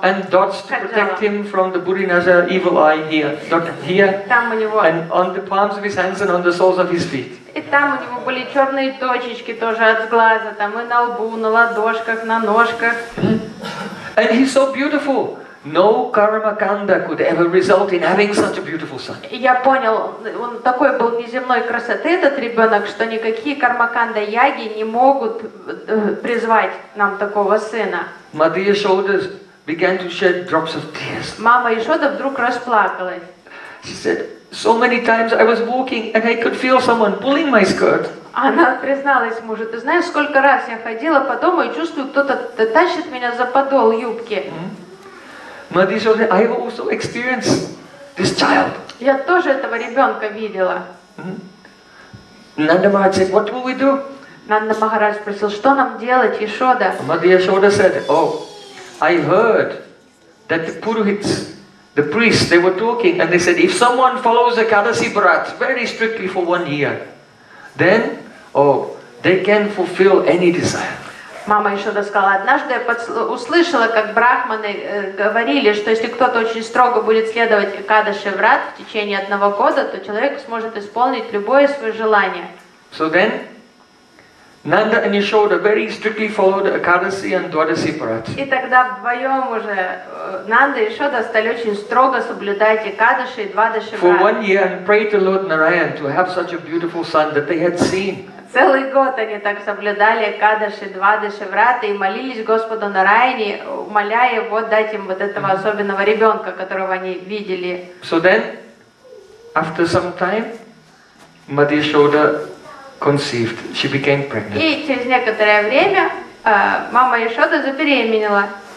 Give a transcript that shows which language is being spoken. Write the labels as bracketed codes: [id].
[en] And dots to protect him from the Buddhinaja evil eye here. Dot here. [ru] Там у него. [en] And on the palms of his hands and on the soles of his feet. [ru] И там у него были черные точечки тоже от глаза, там и на лбу, на ладошках, на ножках. [en] And he's so beautiful. No karma kanda could ever result in having such a beautiful son. [ru] Я понял, он такой был неземной красоты этот ребенок, что никакие карма канда яги не могут призвать нам такого сына. [en] Mother Yashoda began to shed drops of tears. [ru] Мама Ишода вдруг расплакалась. [en] She said, "So many times I was walking and I could feel someone pulling my skirt." [ru] Она призналась мужу, ты знаешь, сколько раз я ходила по дому и чувствую, кто-то тащит меня за подол юбки. [en] Mother Yashoda, I have also experienced this child. [ru] Я тоже этого ребенка видела. [en] Nanda Maharaj said, what will we do? [ru] Nanda Maharaj спросил, что нам делать, Ишода? [en] Mother Yashoda said, oh, I heard that the Purohits The priests, they were talking and they said, if someone follows the Kadasi Brat very strictly for 1 year, then, oh, they can fulfill any desire. [ru] Мама еще сказала, однажды я услышала, как брахманы говорили, что если кто-то очень строго будет следовать Экадаши врат в течение 1 года, то человек сможет исполнить любое свое желание. [en] So then, Nanda and Yashoda very strictly followed Ekadasi and Dwadasi Brat. [ru] И тогда вдвоем уже Нанда и Ешода стали очень строго соблюдать Экадаши и Двадаши брат. [en] For 1 year, and prayed to Lord Narayan to have such a beautiful son that they had seen. [ru] Целый год они так соблюдали Экадаши, Двадаши, Врата и молились Господу Нараяне, умоляя его дать им вот этого особенного ребенка, которого они видели. [en] So then, after some time, Mother Yashoda conceived. She became pregnant. [ru] И через некоторое время мама Яшода забеременела.